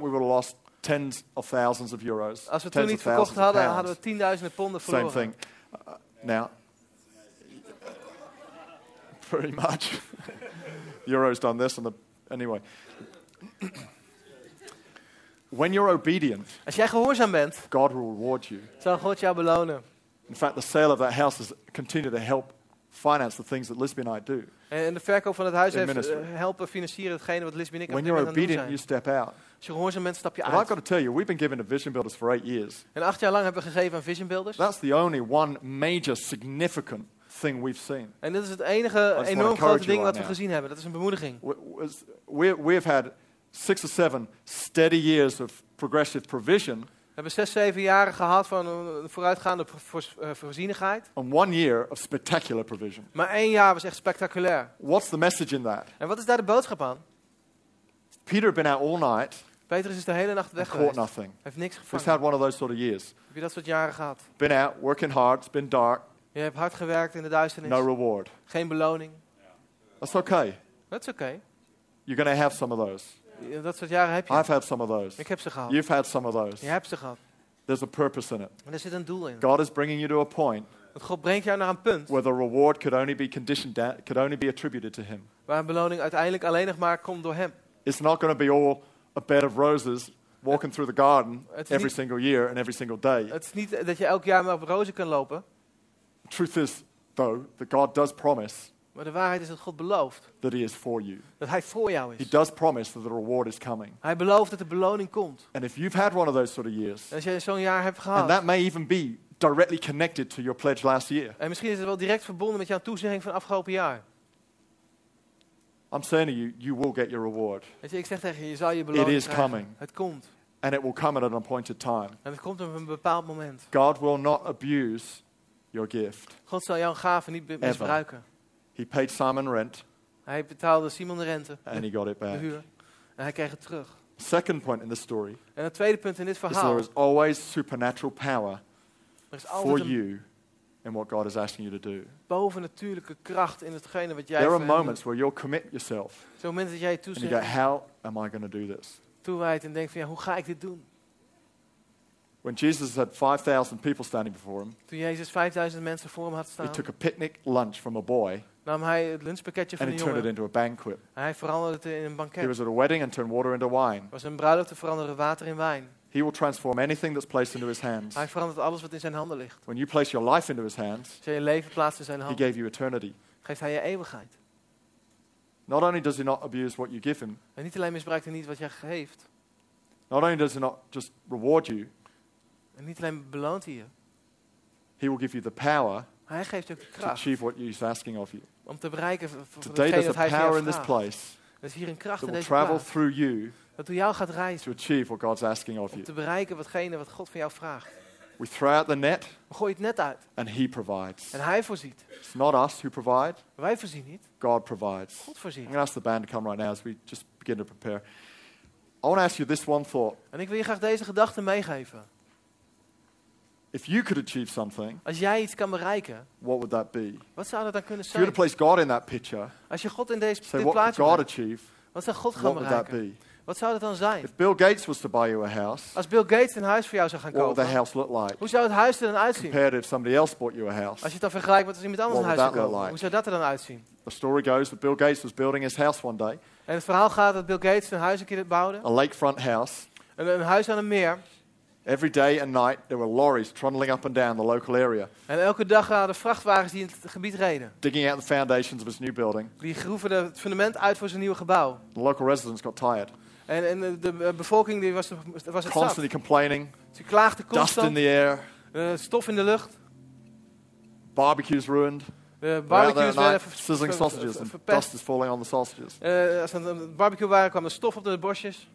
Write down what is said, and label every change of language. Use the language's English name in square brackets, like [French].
[English] We would have lost tens of thousands of euros. [Dutch] Als we toen niet verkocht hadden, hadden we tienduizenden ponden verloren. [English] Same thing. Now, pretty much. Euro's done this and the anyway. When you're obedient, [Dutch] als jij gehoorzaam bent, [English] God will reward you. [Dutch] Zal God jou belonen. [English] In fact, the sale of that house has continued to help. Finance the things that Lisby and I do. [Dutch] En de verkoop van het huis heeft helpen financieren hetgene wat Lisby en ik [English] When you're obedient, you step out. [Dutch] Als je gehoorzaam bent, stap je [English] and [Dutch] uit. [English] I've got to tell you, we've been given to Vision Builders for 8 years. [Dutch] En 8 jaar lang hebben we gegeven aan Vision Builders. [English] That's the only one major significant thing we've seen. [Dutch] En dit is het enige enorm grote ding wat we gezien hebben. Dat is een bemoediging. [English] We've had 6 or 7 steady years of progressive provision. [Dutch] We hebben 6-7 jaren gehad van een vooruitgaande voorzienigheid. [English] And 1 year of spectacular provision. [Dutch] Maar 1 jaar was echt spectaculair. [English] What's the message in that? [Dutch] En wat is daar de boodschap aan? [English] Peter had been out all night. [Dutch] Petrus is de hele nacht weg geweest. [English] Nothing. [Dutch] Hij heeft niks gevangen. [English] He's had one of those sort of years. [Dutch] Heb je dat soort jaren gehad? [English] Been out, working hard, it's been dark. [Dutch] Je hebt hard gewerkt in de duisternis. [English] No reward. [Dutch] Geen beloning. [English] That's okay. That's okay. You're gonna have some of those. [Dutch] Dat soort jaren heb je. [English] I've had some of those. [Dutch] Ik heb ze gehad. [English] You've had some of those. [Dutch] Je hebt ze gehad. [English] There's a purpose in it. [Dutch] En er zit een doel in. [English] God is bringing you to a point. [Dutch] God brengt jou naar een punt. [English] Where the reward could only be conditioned, could only be attributed to Him. [Dutch] Waar een beloning uiteindelijk alleen nog maar komt door Hem. [English] It's not going to be all a bed of roses walking through the garden every single year and every single day. [Dutch] Het is niet dat je elk jaar maar op rozen kan lopen. [English] The truth is, though, that God does promise. [Dutch] Maar de waarheid is dat God belooft. [English] That He is for you. [Dutch] Dat Hij voor jou is. [English] He does promise that the reward is coming. [Dutch] Hij belooft dat de beloning komt. [English] And if you've had one of those sort of years, [Dutch] en als je zo'n jaar hebt gehad, [English] and that may even be directly connected to your pledge last year. [Dutch] En misschien is het wel direct verbonden met jouw toezegging van afgelopen jaar. [English] I'm saying to you, you will get your reward. [Dutch] Ik zeg tegen je, je zal je beloning [English] It is [Dutch] krijgen. [English] Coming. [Dutch] Het komt. [English] And it will come at an appointed time. [Dutch] En het komt op een bepaald moment. [English] God will not abuse your gift. [Dutch] God zal jouw gave niet misbruiken. [English] He paid Simon rent. [Dutch] Hij betaalde Simon de rente. [English] And he got it back. [Dutch] De huur. En hij kreeg het terug. [English] Second point in the story. [Dutch] En het tweede punt in dit verhaal. [English] Is there is always supernatural power for you in what God is asking you to do. [Dutch] Bovennatuurlijke kracht in hetgene wat jij. [English] There are moments where you'll commit yourself. [Dutch] Zo'n moment dat jij toezegt. [English] And you go, how am I going to do this? [Dutch] Toewijd en denk van ja, hoe ga ik dit doen? [English] When Jesus had 5,000 people standing before him. [Dutch] Toen Jezus 5,000 mensen voor hem had staan. [English] He took a picnic lunch from a boy. [Dutch] Nam hij het lunchpakketje van een jongen. [English] And he turned it into a banquet. [Dutch] En hij veranderde het in een banket. [English] He was at a wedding and turned water into wine. [Dutch] Was een bruiloft en veranderde water in wijn. [English] He will transform anything that's placed into his hands. [Dutch] Hij verandert alles wat in zijn handen ligt. [English] When you place your life into his hands. [Dutch] Als je je leven plaatst in zijn handen. [English] He gave you eternity. [Dutch] Geeft hij je eeuwigheid. [English] Not only does he not abuse what you give him. [Dutch] En niet alleen misbruikt hij niet wat jij geeft. [English] Not only does he not just reward you. [Dutch] En niet alleen beloont hij je. [English] He will give you the power. [Dutch] Hij geeft je ook de kracht. [English] To achieve what he's asking of you. [Dutch] Om te bereiken [English] Today there's a [Dutch] dat hij [English] power in this place. [Dutch] Er is hier een kracht in deze plaats. [English] That will travel through you. [Dutch] Dat door jou gaat reizen. [English] To achieve what God's asking of you. [Dutch] Om te bereiken watgene wat God van jou vraagt. [English] We throw out the net. [Dutch] We gooien het net uit. [English] And He provides. [Dutch] En Hij voorziet. [English] It's not us who provide. [Dutch] Wij voorzien niet. [English] God provides. [Dutch] God voorziet. [English] I'm going to ask the band to come right now as we just begin to prepare. I want to ask you this one thought. [Dutch] En ik wil je graag deze gedachte meegeven. [English] If you could achieve something, [Dutch] als jij iets kan bereiken, [English] what would that be? [Dutch] Wat zou dat dan kunnen zijn? [English] If you were to place God in that picture, [Dutch] als je God in deze [English] say, [Dutch] dit plaatje God maakt, [English] achieve, [Dutch] wat zou God gaan bereiken? [English] Would that be? [Dutch] Wat zou dat dan zijn? [English] If Bill Gates was to buy you a house, [Dutch] als Bill Gates een huis voor jou zou gaan kopen, [English] what would the house look like? [Dutch] Hoe zou het huis er dan uitzien? [English] Compared if somebody else bought you a house, [Dutch] als je het dan vergelijkt met als iemand anders [English] what [Dutch] een huis [English] would that look like? [Dutch] Hoe zou dat er dan uitzien? [English] The story goes that Bill Gates was building his house one day. [Dutch] En het verhaal gaat dat Bill Gates een huis een keer bouwde. [English] A lakefront house. [Dutch] Een huis aan een meer. [English] Every day and night there were lorries trundling up and down the local area. [Dutch] En elke dag waren er vrachtwagens die in het gebied reden. [English] Digging out the foundations of his new building. [Dutch] Die groeven het fundament uit voor zijn nieuwe gebouw. [English] The local residents got tired. [Dutch] En de bevolking die was het [English] constantly [Dutch] zat. [English] Complaining. [Dutch] Ze klaagden constant. [English] Dust in the air. [Dutch] Stof in de lucht. [English] Barbecues ruined. [Dutch] Barbecues werden [English] sizzling sausages and dust is falling on the sausages. [Dutch] Als een barbecue waren kwam er stof op de bosjes.